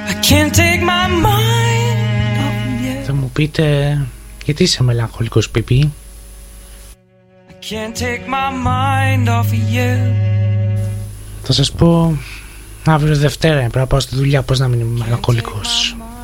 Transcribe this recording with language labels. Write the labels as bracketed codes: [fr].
[en] can't take my mind off you. [el] Θα μου πείτε, γιατί είσαι μελαγχολικός, Πιπί? [en] I can't take my mind off you. [el] Θα σας πω, αύριο Δευτέρα πρέπει να πάω στη δουλειά, πώς να μην είμαι μελαγχολικός.